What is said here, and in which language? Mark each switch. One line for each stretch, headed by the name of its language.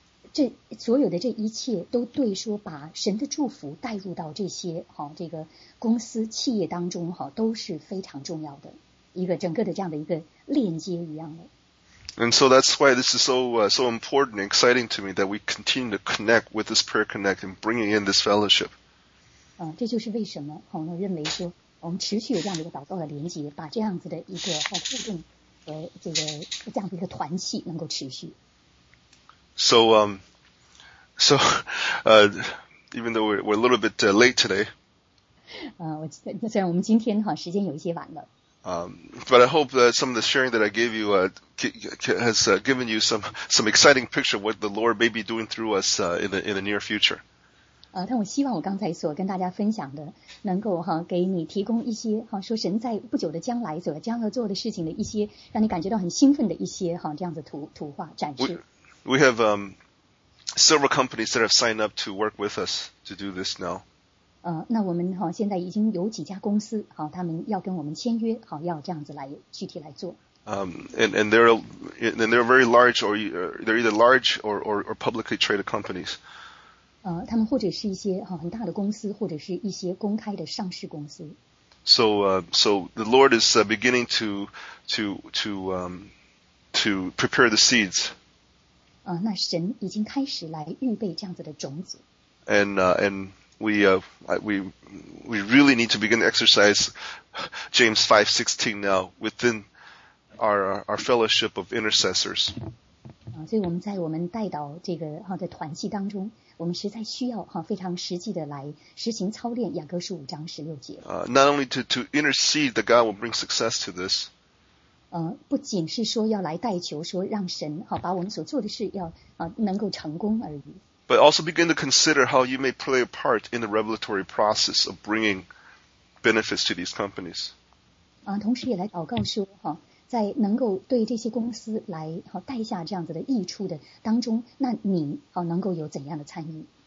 Chinese: 这所有的这一切都对说把神的祝福带入到这些好这个公司企业当中好都是非常重要的一个整个的这样的一个链接一样的。
English: And so that's why this is so important and exciting to me that we continue to connect with this prayer connect and bringing in this fellowship.
Chinese: 这就是为什么我认为说我们持续有这样的一个祷告的连接，把这样子的一个互动和这样的一个团契能够持续。
English: So, even though we're a little bit late today.
Chinese: 虽然我们今天哈时间有一些晚了。
English: But I hope that some of the sharing that I gave you has given you some exciting picture of what the Lord may be doing through us in the near future.
Chinese: 但我希望我刚才所跟大家分享的能够哈给你提供一些哈说神在不久的将来所将要做的事情的一些让你感觉到很兴奋的一些哈这样子图画展示。
English: We have several companies that have signed up to work with us to do this now.
Chinese: 那我们现在已经有几家公司他们要跟我们签约要这样子来具体来做。
English: And they're very large or they're either large or publicly traded companies.
Chinese: 他们或者是一些很大的公司或者是一些公开的上市公司。
English: So the Lord is beginning to prepare the seeds.
Chinese: 那神已经开始来预备这样子的种子。
English: We really need to begin to exercise James 5:16 now within our fellowship of intercessors.
Chinese: 所以我们在我们代祷这个的团契当中，我们实在需要非常实际的来实行操练雅各书五章十六节。
English: Not only to intercede that God will bring success to this.
Chinese: 不仅是说要来代求说让神把我们所做的事要能够成功而已。
English: But also begin to consider how you may play a part in the revelatory process of bringing benefits to these companies.
Chinese: 同时也来祷告说在能够对这些公司来带下这样子的益处的当中，那你能够有怎样的参与？